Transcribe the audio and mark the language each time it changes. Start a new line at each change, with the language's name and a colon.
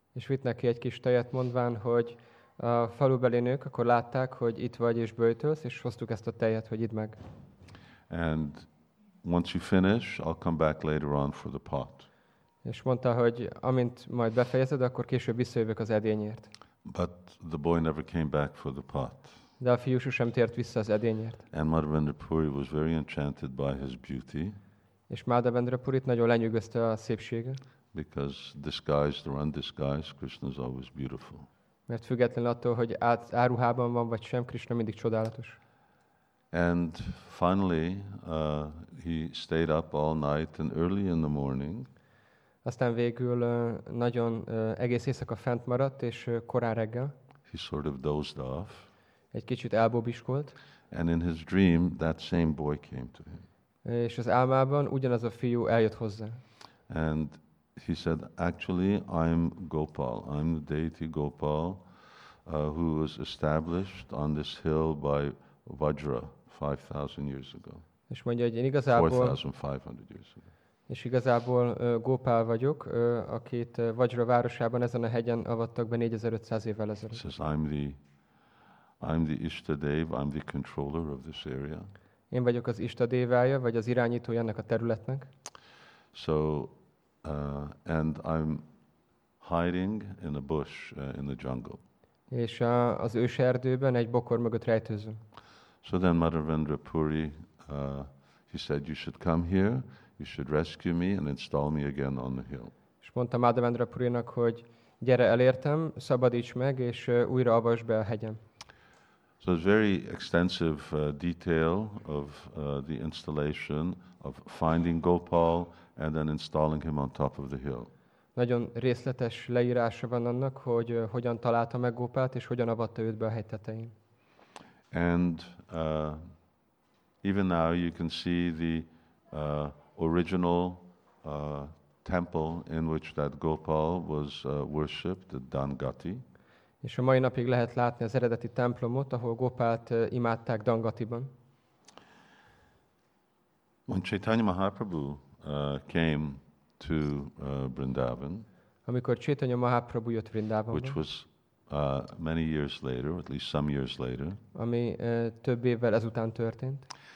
Hungarian: És vitt neki egy kis tejet, mondván, hogy a falubeli nők akkor látták, hogy itt vagy és böjtölsz, és hoztuk ezt a tejet, hogy idd meg.
English: And once you finish, I'll come back later on for the pot.
Hungarian: És mondta, hogy amint majd befejezed, akkor később visszajövök az edényért.
English: But the boy never came back for the pot.
Hungarian: De a fiú sosem tért vissza az edényért.
English: And Madhavendrapuri was very enchanted by his beauty.
Hungarian: És Madhavendrapurit nagyon lenyűgözte a szépsége.
English: Because disguised or undisguised, Krishna is always beautiful.
Hungarian: Mert független attól, hogy áruhában van vagy sem, Krishna mindig csodálatos.
English: And finally, he stayed up all night and early in the morning.
Hungarian: Aztán végül nagyon egész éjszaka fent maradt és korán reggel.
English: He sort of dozed off.
Hungarian: Egy kicsit elbóbiskolt.
English: And in his dream, that same boy came to him.
Hungarian: És az álmában ugyanaz a fiú eljött hozzá.
English: And he said, actually, I'm Gopal. I'm the deity Gopal, who was established on this hill by Vajra 5,000 years ago.
Hungarian: És mondja, hogy én igazából
English: 4,500 years ago.
Hungarian: És igazából Gopal vagyok, akit Vajra városában ezen a hegyen avattak be 4500 évvel ezelőtt.
English: He says, I'm the Ishtadev, I'm the controller of this area.
Hungarian: Én vagyok az Ishtadevája, vagy az irányítója ennek a területnek.
English: So, and I'm hiding in a bush in the jungle.
Hungarian: És az őserdőben egy bokor mögött rejtőzöm.
English: So then Madhavendrapuri, he said, you should come here, you should rescue me and install me again on the hill.
Hungarian: És mondta Madhavendrapurinak, hogy gyere elértem, szabadíts meg, és újra avasd be a hegyen.
English: So it's very extensive detail of the installation of finding Gopal and then installing him on top of the hill.
Hungarian: Nagyon részletes leírása van annak, hogy hogyan találta meg Gopalt és hogyan avatta őt be a hegy tetején.
English: And even now you can see the original temple in which that Gopal was worshipped, the Dangati.
Hungarian: És a mai napig lehet látni az eredeti templomot, ahol Gopált imádták Dangatiban.
English: When Chaitanya Mahaprabhu came to Vrindavan,
Hungarian: amikor Chaitanya Mahaprabhu jött Vrindavanba,
English: which was many years later, at least some years later,
Hungarian: ami több évvel ezután történt,